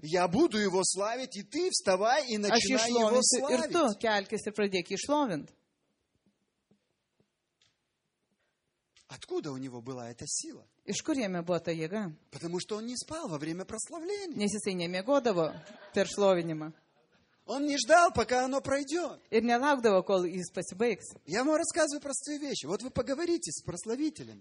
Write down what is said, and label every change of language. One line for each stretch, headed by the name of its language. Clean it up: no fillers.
Russian: Я буду его славить, и ты вставай и начинай его славить.
Lithuanian: Ir tu kelkis ir pradėk jį šlovint.
Russian: Откуда у него была эта сила?
Lithuanian: Iš kur jame buvo ta jėga?
Russian: Потому что он не спал во время прославления.
Lithuanian: Nes jisai nemiegodavo per šlovinimą.
Russian: Он не ждал, пока оно пройдет.
Lithuanian: Ir nelaukdavo, kol jis pasibaigs.
Russian: Я ему рассказываю простые вещи. Вот вы поговорите с прославителями.